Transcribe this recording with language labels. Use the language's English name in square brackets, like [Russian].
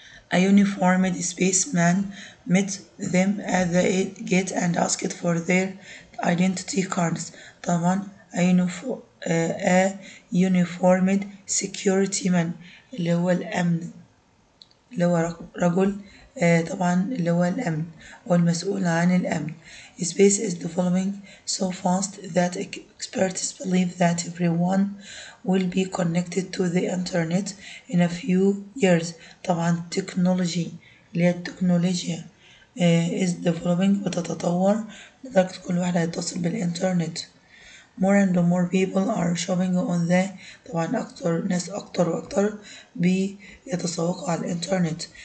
[English] A uniformed spaceman met them at the gate and asked for their identity cards. [Arabic] طبعا [English] a uniformed security man [Arabic] اللي هو الأمن اللي هو رجل طبعا اللي هو الأمن والمسؤول عن الأمن. [English] Space is developing so fast that experts believe that everyone will be connected to the internet in a few years. [Arabic] طبعا التكنولوجي اللي هي التكنولوجيا [English] is developing [Arabic] بتتطور لدرجة كل واحد هيتصل بالإنترنت. [English] More and more people are shopping on the [Arabic] طبعا أكتر ناس أكتر وأكتر بيتسوقوا على الإنترنت.